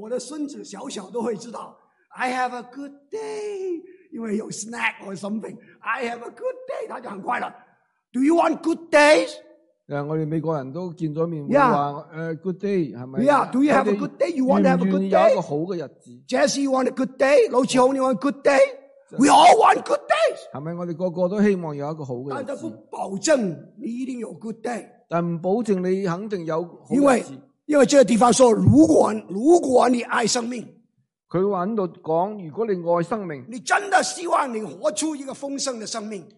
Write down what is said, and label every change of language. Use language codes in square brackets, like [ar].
[zh] 我的孙子小小都会知道 [en] I have a good day, [zh] 因为有 [en] snack or something, [zh] I have a good day, 他就很快乐。 [en] Do you want good days? [zh] 我们美国人都见了面，我说 good day, 是不是？ [en] Yeah, do you have a good day? You want to have a good day? [zh] 有一个好的日子。 [en] Jesse, you want a good day? 老志雄， you want a good day? We all want good days! [zh] 是不是？我们个个都希望有一个好的日子。但是不保证你一定有 good day。但不保证你肯定有好事。因为这个地方说，如果你爱生命，他在那里说，如果你爱生命，你真的希望你活出一个丰盛的生命，